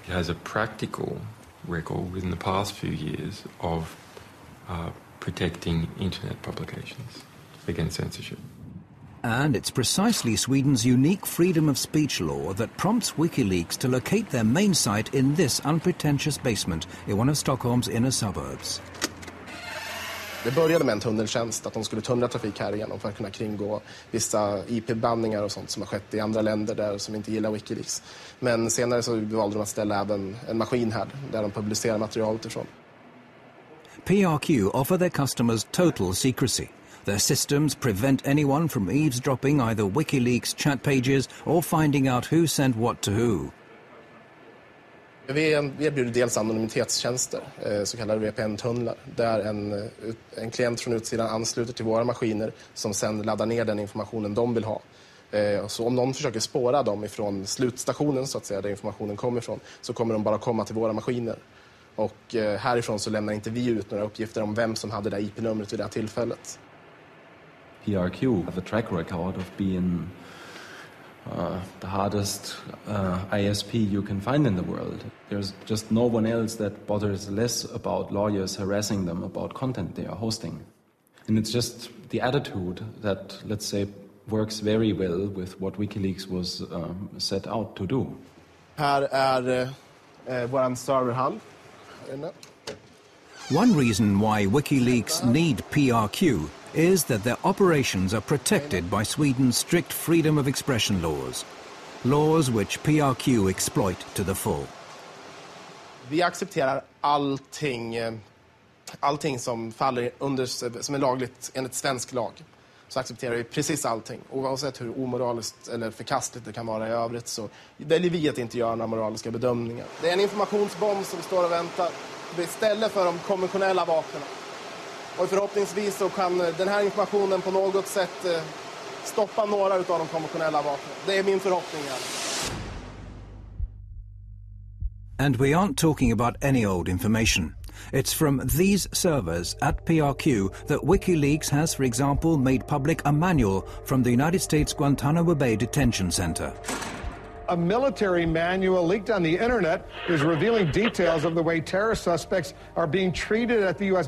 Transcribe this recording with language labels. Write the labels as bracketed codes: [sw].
[en] It has a practical record within the past few years of protecting internet publications against censorship. And it's precisely Sweden's unique freedom of speech law that prompts WikiLeaks to locate their main site in this unpretentious basement in one of Stockholm's inner suburbs. [sv] Det började med en tunneltjänst, att de skulle tunnla trafik här igenom för att kunna kringgå vissa IP-banningar och sånt som har skett i andra länder där som inte gillar WikiLeaks. Men senare så valde de att ställa även en maskin här där de publicerar material utifrån. [en] PRQ offer their customers total secrecy. Their systems prevent anyone from eavesdropping either WikiLeaks chat pages or finding out who sent what to who. [sv] Vi erbjuder dels anonymitetstjänster, så kallade VPN-tunnlar, där en klient från utsidan ansluter till våra maskiner som sen laddar ner den informationen de vill ha. Så om någon försöker spåra dem ifrån slutstationen, så att säga, där informationen kommer ifrån, så kommer de bara komma till våra maskiner. Och härifrån så lämnar inte vi ut några uppgifter om vem som hade det IP-numret vid det här tillfället. [en] PRQ have a track record of being the hardest ISP you can find in the world. There's just no one else that bothers less about lawyers harassing them about content they are hosting. And it's just the attitude that, let's say, works very well with what WikiLeaks was set out to do. [sv] Här är vår serverhall. [en] One reason why WikiLeaks need PRQ is that their operations are protected by Sweden's strict freedom of expression laws, laws which PRQ exploit to the full. [sv] Vi accepterar allting som faller under, som är lagligt enligt svensk lag. Så accepterar vi precis allting, oavsett hur omoraliskt eller förkastligt det kan vara i övrigt, så väljer vi att inte göra några moraliska bedömningar. Det är en informationsbomb som står och väntar istället för de konventionella vapnen. Och förhoppningsvis så kan den här informationen på något sätt stoppa några av de konventionella vapnen. Det är min förhoppning. [en] And we aren't talking about any old information. It's from these servers at PRQ that WikiLeaks has, for example, made public a manual from the United States Guantanamo Bay Detention Center. A military manual leaked on the internet is revealing details of the way terror suspects are being treated at the U.S.